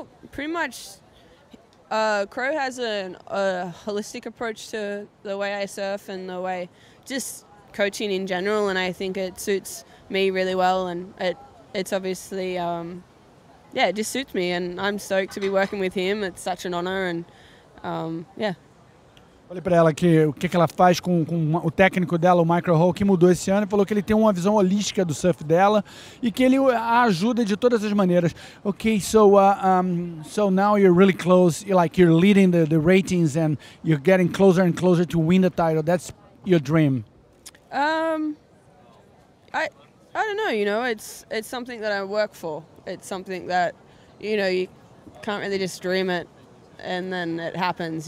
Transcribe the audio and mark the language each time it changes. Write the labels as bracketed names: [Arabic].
[English] Pretty much, Crow has a holistic approach to the way I surf and the way, just coaching in general, and I think it suits me really well, and it's obviously, it just suits me, and I'm stoked to be working with him. It's such an honor, and [Portuguese] Falei para ela que ela faz com o técnico dela, o Michael Hall, que mudou esse ano, e falou que ele tem uma visão holística do surf dela e que ele a ajuda de todas as maneiras. [English] Okay, so so now you're really close, you're leading the ratings and you're getting closer and closer to win the title. That's your dream. I don't know, you know, it's something that I work for. It's something that, you know, you can't really just dream it and then it happens.